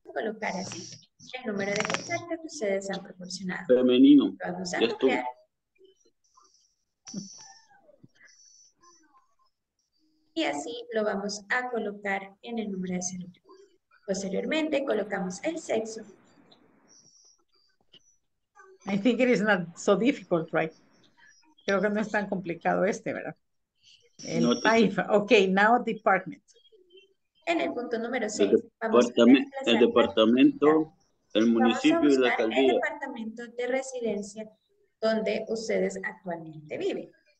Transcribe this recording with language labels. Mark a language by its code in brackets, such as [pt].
[es] Colocar así el número de contacto que ustedes han proporcionado. Femenino. Vamos a ya copiar. Estuvo. Y así lo vamos a colocar en el número de celular. Posteriormente colocamos el sexo. [en] I think it is not so difficult, right? [es] Creo que no es tan complicado este, ¿verdad? [en] El IFA. Ok, now department. [es] En el punto número 6. El departamento, el municipio y la alcaldía. El departamento de residencia donde ustedes actualmente viven.